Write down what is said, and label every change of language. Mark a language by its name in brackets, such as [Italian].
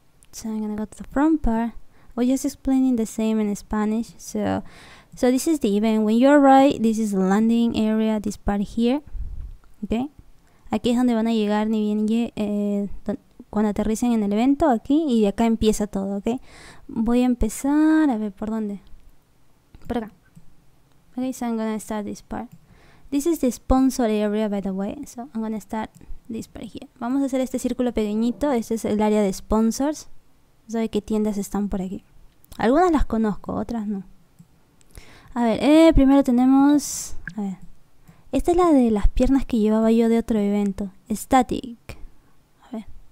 [English] So I'm gonna go to the front part. We're just explaining the same in Spanish. So this is the event. When you arrive, this is the landing area, this part here. Okay? [Spanish] Aquí es donde van a llegar ni bien cuando aterricen en el evento, aquí, y de acá empieza todo, okay? Voy a empezar, a ver, ¿por dónde? Por acá. [English] Okay, so I'm gonna start this part. This is the sponsor area, by the way. So I'm gonna start this part here. [Spanish] Vamos a hacer este círculo pequeñito. Este es el área de sponsors. ¿Sabe qué tiendas están por aquí? Algunas las conozco, otras no. A ver, primero tenemos... A ver. Esta es la de las piernas que llevaba yo de otro evento. Static. A ver.